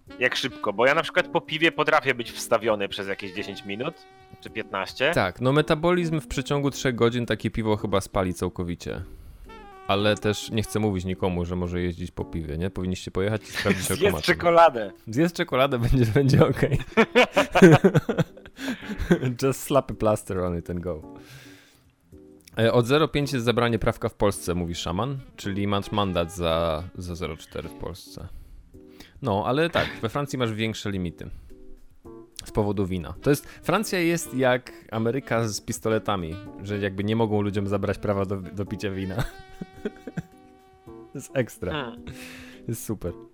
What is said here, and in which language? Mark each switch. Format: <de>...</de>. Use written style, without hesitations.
<pl>Jak szybko, bo ja na przykład po piwie potrafię być wstawiony przez jakieś 10 minut, czy 15. Tak, no metabolizm w przeciągu 3 godzin takie piwo chyba spali całkowicie. Ale też nie chcę mówić nikomu, że może jeździć po piwie, nie? Powinniście pojechać i sprawdzić alkomatem. Zjedz czekoladę. Zjedz czekoladę, będzie okej.</pl> <en>Just slap a plaster on it and go.</en> <pl>Od 0,5 jest zabranie prawka w Polsce, mówi szaman, czyli masz mandat za 0,4 w Polsce. No, ale tak, we Francji masz większe limity. Z powodu wina. To jest, Francja jest jak Ameryka z pistoletami, że jakby nie mogą ludziom zabrać prawa do picia wina. Jest ekstra. Jest super.</pl>